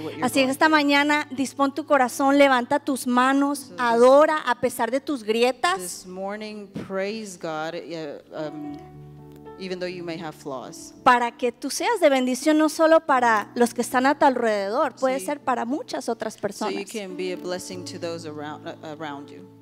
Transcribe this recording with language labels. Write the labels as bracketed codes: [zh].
[es] Así es, esta mañana dispón tu corazón, levanta tus manos, so adora a pesar de tus grietas. [en] This morning, praise God, even though you may have flaws. [es] Para que tú seas de bendición no solo para los que están a tu alrededor, puede ser para muchas otras personas. [en] So you can be a blessing to those around you.